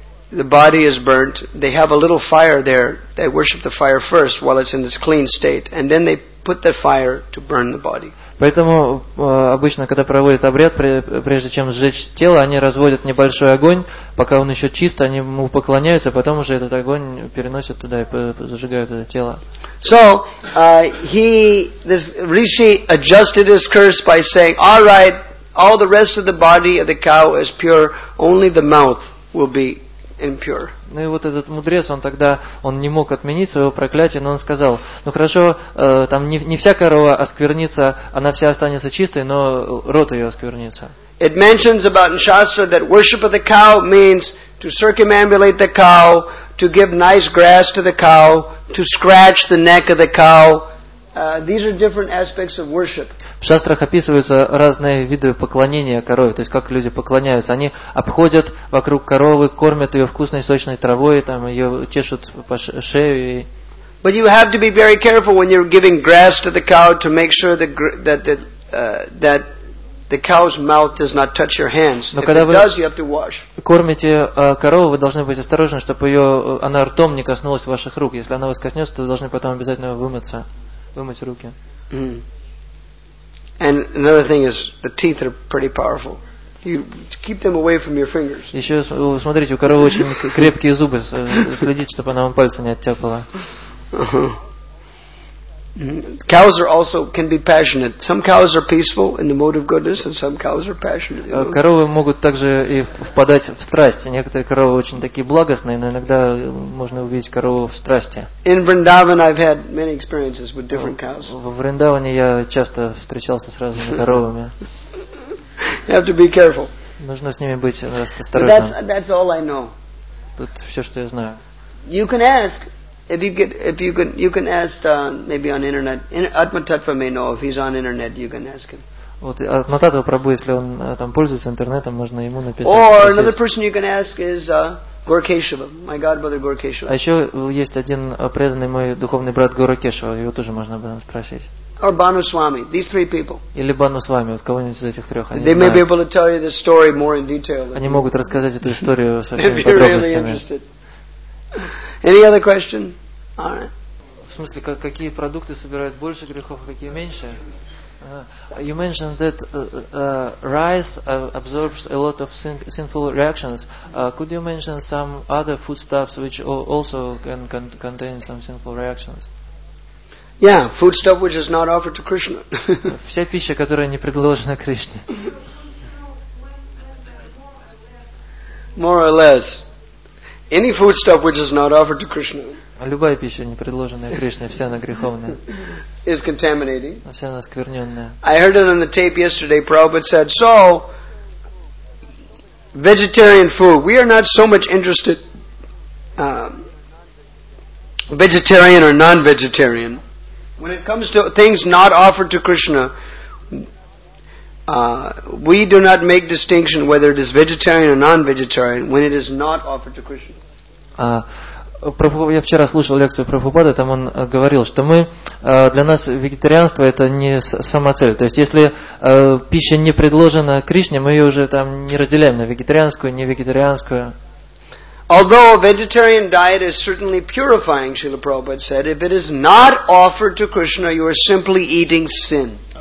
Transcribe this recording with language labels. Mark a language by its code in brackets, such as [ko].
[en] the body is burnt, they have a little fire there. They worship the fire first while it's in this clean state, and then they put the fire to burn the body. [ru] Поэтому обычно, когда проводят обряд, прежде чем сжечь тело, они разводят небольшой огонь, пока он еще чист, они ему поклоняются, потом уже этот огонь переносят туда и зажигают это тело. [en] So, this rishi adjusted his curse by saying, "All right, all the rest of the body of the cow is pure, only the mouth will be impure." [ru] Ну и вот этот мудрец, он тогда, он не мог отменить своего проклятия, но он сказал, ну хорошо, там не вся корова осквернится, она вся останется чистой, но рот ее осквернится. [en] It mentions about in Shastra that worship of the cow means to circumambulate the cow, to give nice grass to the cow, to scratch the neck of the cow. These are different aspects of worship. [ru] В шастрах описываются разные виды поклонения корове, то есть как люди поклоняются. Они обходят вокруг коровы, кормят ее вкусной сочной травой, там ее чешут по шее. [en] But you have to be very careful when you're giving grass to the cow to make sure that the cow's mouth does not touch your hands. [ru] Но [en] if [ru] когда [en] it does, you have to wash. [ru] Кормите корову, вы должны быть осторожны, чтобы ее она ртом не коснулась ваших рук. Если она вас коснется, то вы должны потом обязательно вымыться. Вымыть руки. Mm. [en] And another thing is the teeth are pretty powerful. You keep them away from your fingers. [ru] Еще смотрите, у коровы очень крепкие зубы. Следите, чтобы она вам пальцы не оттяпала. [en] Cows are also can be passionate. Some cows are peaceful in the mode of goodness, and some cows are passionate. [ru] Коровы могут также и впадать в страсть. Некоторые коровы очень такие благостные, но иногда можно увидеть корову в страсти. [en] In Vrindavan, I've had many experiences with different cows. [ru] В Вриндаване я часто встречался с разными коровами. [en] You have to be careful. [ru] Нужно с ними быть осторожным. [en] That's all I know. [ru] Тут все, что я знаю. [en] You can ask. If you can ask maybe on internet, Atma Tattva may know. If he's on internet, you can ask him. [ru] Вот Атма Таттва Прабу, если он там пользуется интернетом, можно ему написать. [en] Or another person you can ask is Gaurakeshava, my godbrother Gaurakeshava. [ru] А еще есть один преданный мой духовный брат Гаурокешава, его тоже можно об этом спросить. [en] Or Banu Swami, these three people. [ru] Или Банну Свами, вот кого-нибудь из этих трех. [en] They may be able to tell you the story more in detail. [ru] Они могут рассказать эту историю со всеми подробностями. [en] Any other question? All right. [ru] В смысле, какие продукты собирают больше грехов, а какие меньше? [en] You mentioned that rice absorbs a lot of sinful reactions. Could you mention some other foodstuffs which also can contain some sinful reactions? Yeah, foodstuff which is not offered to Krishna. [ru] Вся пища, которая не предложена Кришне. [en] More or less. Any foodstuff which is not offered to Krishna. [ru] Любая пища, не предложенная Кришне, вся она греховная. [en] Is contaminating. [ru] Вся она скверненная. [en] I heard it on the tape yesterday. Prabhupada said, "So, vegetarian food. We are not so much interested, vegetarian or non-vegetarian. When it comes to things not offered to Krishna, we do not make distinction whether it is vegetarian or non-vegetarian when it is not offered to Krishna." [ru] Я вчера слушал лекцию Прабхупады, там он говорил, что мы для нас вегетарианство это не самоцель. То есть если пища не предложена Кришне, мы ее уже там не разделяем на вегетарианскую, не вегетарианскую. [en] Although a vegetarian diet is certainly purifying, Srila Prabhupada said, if it is not offered to Krishna, you are simply eating sin.